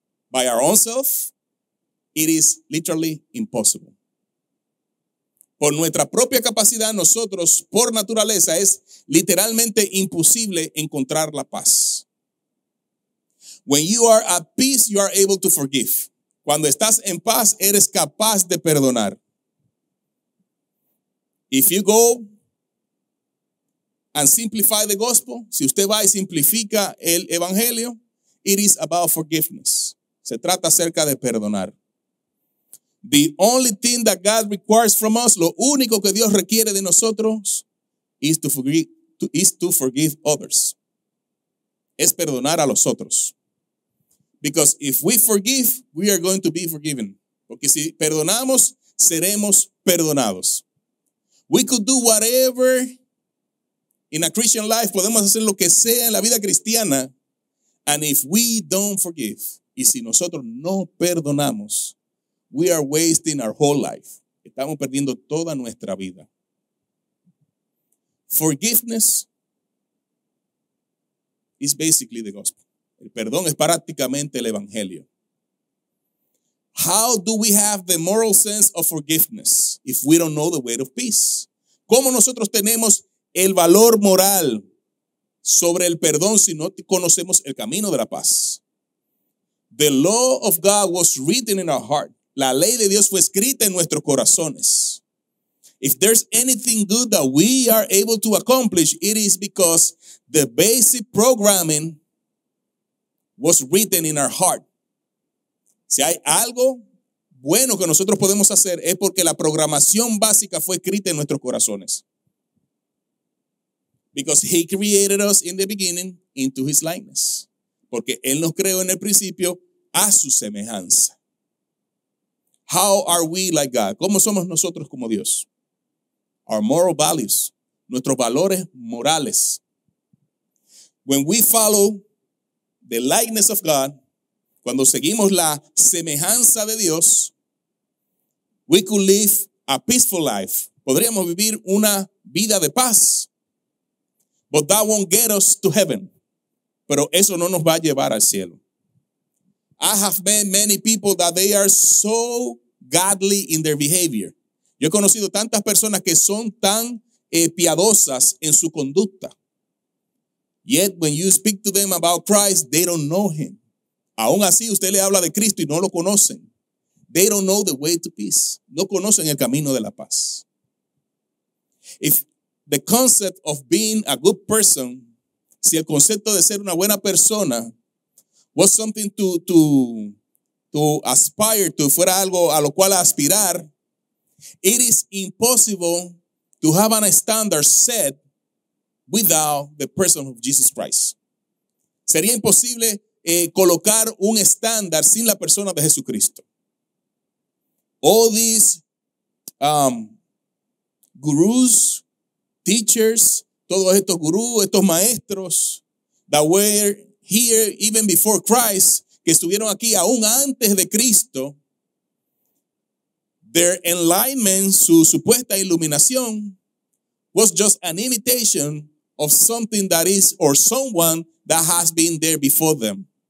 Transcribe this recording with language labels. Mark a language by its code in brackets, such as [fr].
[en] By our own self, it is literally impossible. [es] Por nuestra propia capacidad, nosotros, por naturaleza, es literalmente imposible encontrar la paz. [en] When you are at peace, you are able to forgive. [es] Cuando estás en paz, eres capaz de perdonar. [en] If you go and simplify the gospel, [es] si usted va y simplifica el evangelio, [en] it is about forgiveness. [es] Se trata acerca de perdonar. [en] The only thing that God requires from us, [es] lo único que Dios requiere de nosotros, [en] is to forgive others. [es] Es perdonar a los otros. [en] Because if we forgive, we are going to be forgiven. [es] Porque si perdonamos, seremos perdonados. [en] We could do whatever in a Christian life. [es] Podemos hacer lo que sea en la vida cristiana. [en] And if we don't forgive, [es] y si nosotros no perdonamos, [en] we are wasting our whole life. [es] Estamos perdiendo toda nuestra vida. [en] Forgiveness is basically the gospel. [es] El perdón es prácticamente el evangelio. [en] How do we have the moral sense of forgiveness if we don't know the way of peace? [es] ¿Cómo nosotros tenemos el valor moral sobre el perdón si no conocemos el camino de la paz? [en] The law of God was written in our heart. [es] La ley de Dios fue escrita en nuestros corazones. [en] If there's anything good that we are able to accomplish, it is because the basic programming was written in our heart. [es] Si hay algo bueno que nosotros podemos hacer, es porque la programación básica fue escrita en nuestros corazones. [en] Because he created us in the beginning into his likeness. [es] Porque él nos creó en el principio a su semejanza. [en] How are we like God? [es] ¿Cómo somos nosotros como Dios? [en] Our moral values, [es] nuestros valores morales. [en] When we follow the likeness of God, [es] cuando seguimos la semejanza de Dios, [en] we could live a peaceful life. [es] Podríamos vivir una vida de paz. [en] But that won't get us to heaven. [es] Pero eso no nos va a llevar al cielo. [en] I have met many people that they are so godly in their behavior. [es] Yo he conocido tantas personas que son tan piadosas en su conducta. [en] Yet when you speak to them about Christ, they don't know him. [es] Aún así, usted le habla de Cristo y no lo conocen. [en] They don't know the way to peace. [es] No conocen el camino de la paz. [en] If the concept of being a good person, [es] si el concepto de ser una buena persona [en] was something to aspire to, [es] fuera algo a lo cual aspirar, [en] it is impossible to have a standard set without the person of Jesus Christ. [es] Sería imposible colocar un estándar sin la persona de Jesucristo. [en] All these gurús, teachers, [es] todos estos gurús, estos maestros [en] that were here even before Christ, [es] que estuvieron aquí aún antes de Cristo, [en] their enlightenment, [es] su supuesta iluminación, [en] was just an imitation of something that is or someone that has been there before them.